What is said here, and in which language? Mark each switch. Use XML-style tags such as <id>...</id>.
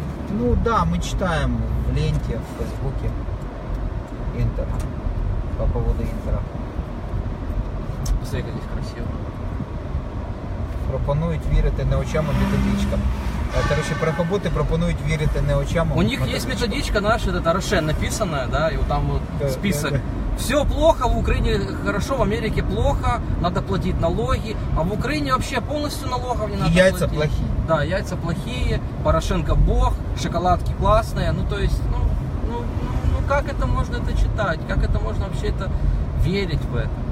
<ru>Ну да, мы читаем в ленте, в Фейсбуке. Интер. По поводу Интера. Посмотри, как здесь красиво.</ru> <uk>Пропонують вірити не очам, а методичкам.</uk> <ru>Короче, прохобуты пропонуют верить не очам. У них есть методичка наша, это Роше написанная, да, и вот там вот список. Все плохо, в Украине хорошо, в Америке плохо, надо платить налоги, а в Украине вообще полностью налогов не надо платить. Яйца плохие. Да, яйца плохие, Порошенко бог, шоколадки классные, ну то есть, ну как это можно это читать, как это можно вообще это верить в это?</ru>